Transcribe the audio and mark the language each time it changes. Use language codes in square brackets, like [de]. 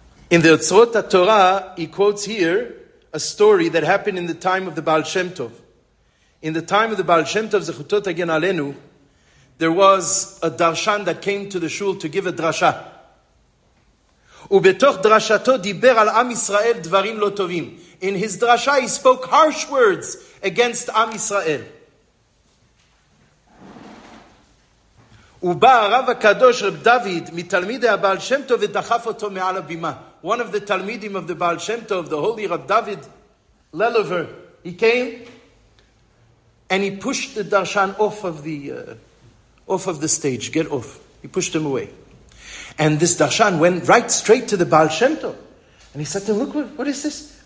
[en] In the Otzrot HaTorah, he quotes here a story that happened in the time of the Baal Shem Tov. In the time of the Baal Shem Tov, [he] Zechuto Tagen Alenu, [en] there was a darshan that came to the shul to give a drasha. [he] ובתוך דרשתו דיבר על עם ישראל דברים לא טובים. [en] In his drasha, he spoke harsh words against עם ישראל. [he] ובא הרב הקדוש רב דוד מתלמידי הבעל שם טוב ודחף אותו מעל הבימה. [en] One of the talmidim of the Baal Shem Tov, the holy Rav David Lelover, he came and he pushed the darshan off of the stage. Get off. He pushed him away. And this darshan went right straight to the Baal Shem Tov. And he said to him, look, what is this?